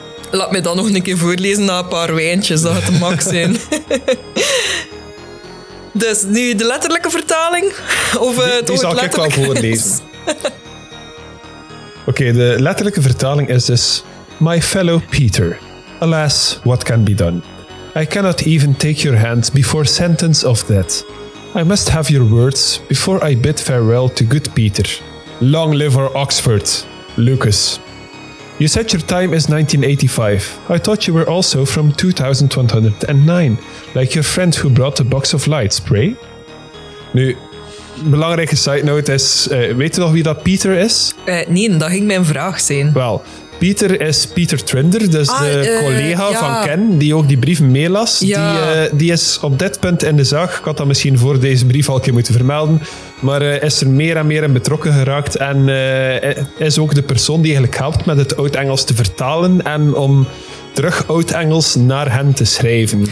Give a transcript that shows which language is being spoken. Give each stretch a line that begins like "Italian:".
Dutch: Laat me dan nog een keer voorlezen na een paar wijntjes, dat gaat de max zijn. Dus nu de letterlijke vertaling? Of die zal ik wel voorlezen. Oké, de letterlijke vertaling is dus...
English: My fellow Peter, alas, what can be done? I cannot even take your hand before sentence of that. I must have your words before I bid farewell to good Peter. Long live our Oxford, Lucas. You said your time is 1985. I thought you were also from 2109, like your friend who brought a box of lights, pray?
Dutch: Nu, belangrijke side note is, weet je nog wie dat Peter is? Nee, dat ging mijn vraag zijn. Wel, Peter is Peter Trinder, dus de collega van Ken, die ook die brief meelas. Ja. Die is op dit punt in de zaak, ik had dat misschien voor deze brief al een keer moeten vermelden, maar is er meer en meer in betrokken geraakt en is ook de persoon die eigenlijk helpt met het Oud-Engels te vertalen en om terug Oud-Engels naar hen te schrijven.